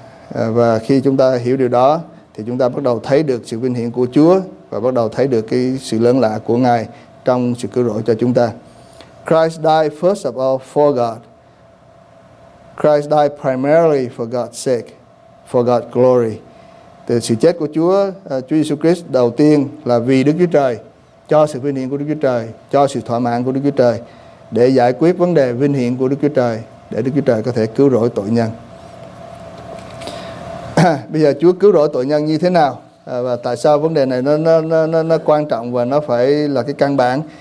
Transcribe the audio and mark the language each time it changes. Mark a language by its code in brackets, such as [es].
[vi] Và khi chúng ta hiểu điều đó thì chúng ta bắt đầu thấy được sự vinh hiển của Chúa, và bắt đầu thấy được cái sự lớn lạ của Ngài trong sự cứu rỗi cho chúng ta. [en] Christ died first of all for God. Christ died primarily for God's sake, for God's glory. [vi] Thì sự chết của Chúa Jesus Christ đầu tiên là vì Đức Chúa Trời, cho sự vinh hiển của Đức Chúa Trời, cho sự thỏa mãn của Đức Chúa Trời, để giải quyết vấn đề vinh hiển của Đức Chúa Trời, để Đức Chúa Trời có thể cứu rỗi tội nhân. Bây giờ Chúa cứu rỗi tội nhân như thế nào? Và tại sao vấn đề này nó quan trọng và nó phải là cái căn bản?